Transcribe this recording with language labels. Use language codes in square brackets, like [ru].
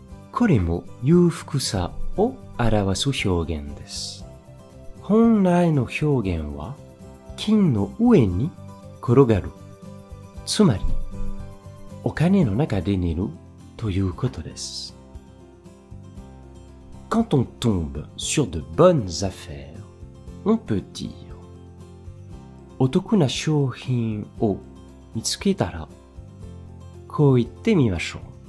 [ja] これも裕福さを表す表現です。本来の表現は金の上に転がる。つまり、お金の中で寝るということです。 [fr] Quand on tombe sur de bonnes affaires, on peut dire [ja] お得な商品を見つけたら、こう言ってみましょう。